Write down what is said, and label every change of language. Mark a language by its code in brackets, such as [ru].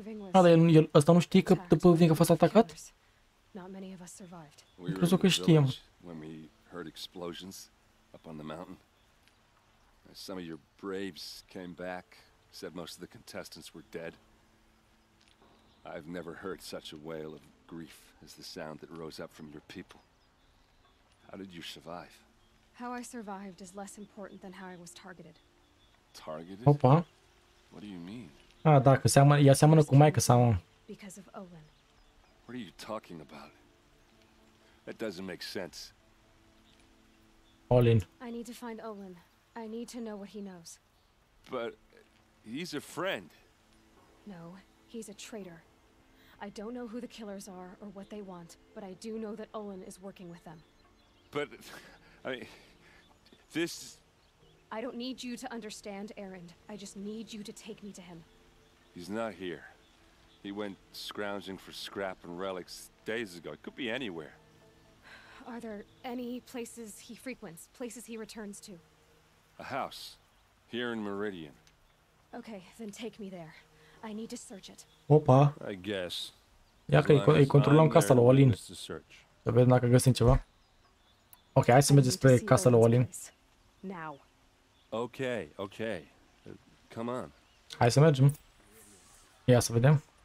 [ro] A, dar el ăsta nu știe că The Proving a fost atacat? Am crezut că știam. [en] When we heard explosions up on the mountain. Some of your braves came back, said most of the contestants were dead. I've never heard such a wail of grief as the sound that rose up from your people. How did you survive? How I survived is less important than how I was targeted. Targeted? Opa. What do you mean? [ro] Ah, da, că seamănă cu maică sau... [en] Because of Olin. What are you talking about? That doesn't make sense. Olin. I need to find Olin. I need to know what he knows. But he's a friend. No, he's a traitor. I don't know who the killers are or what they want, but I do know that Olin is working with them. But, I mean, this... I don't need you to understand, Erend. I just need you to take me to him. He's not here. He went scrounging for scrap and relics days ago. It could be anywhere. Are there any places he frequents, places he returns to? A house here in Meridian. Okay, then take me there. I need to search it. Opa. I guess. [ro] Ia că îi controlăm casa lui Olin. Să vedem dacă găsim ceva. [en] Okay, [ro] hai să mergem spre casa lui Olin. [en] Now. Okay, okay. Come on. [ro] Hai să mergem. Ia să vedem.